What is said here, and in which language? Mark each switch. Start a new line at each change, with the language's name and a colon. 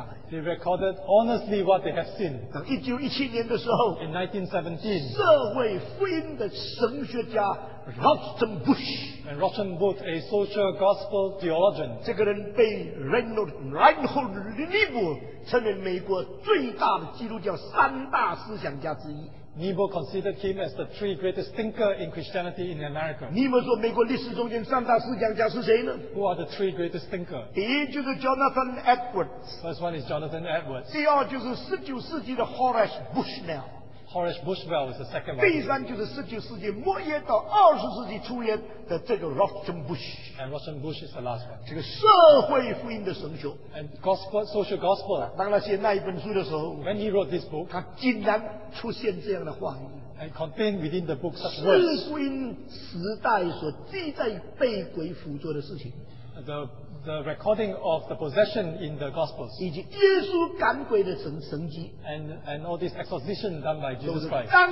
English: they recorded honestly what they have seen.
Chinese: 1917年的时候,
English: in 1917,
Chinese: 社会福音的神学家 Rotten Bush,
English: and Rotten Bush, a social gospel theologian,
Chinese: 这个人被 Reinhold Niebuhr 成为美国最大的基督教三大思想家之一。
English: Niebuhr considered him as the three greatest thinker in Christianity in America.
Chinese: Niebuhr说美国历史中间三大思想家是谁呢?
English: Who are the three greatest thinkers?
Chinese: 第一就是 Jonathan Edwards.
English: First one is Jonathan Edwards.
Chinese: 第二就是19世纪的 Horace Bushnell.
English: Horace Bushnell was the second one.
Chinese: 第三就是19世纪末叶到20世纪初叶的这个 Rothschild-Busch.
English: And Rothschild-Busch is the last one.
Chinese: 这个社会福音的神学.
English: And gospel, social gospel.
Chinese: 当他写那一本书的时候,
English: when he wrote this book,
Chinese: 他竟然出现这样的话语.
English: And contained within the book such words.
Chinese: 世福音时代所记载被鬼附着的事情.
English: The recording of the possession in the Gospels.
Chinese: 以及耶稣赶鬼的神迹,
English: and all this exposition done by Jesus Christ.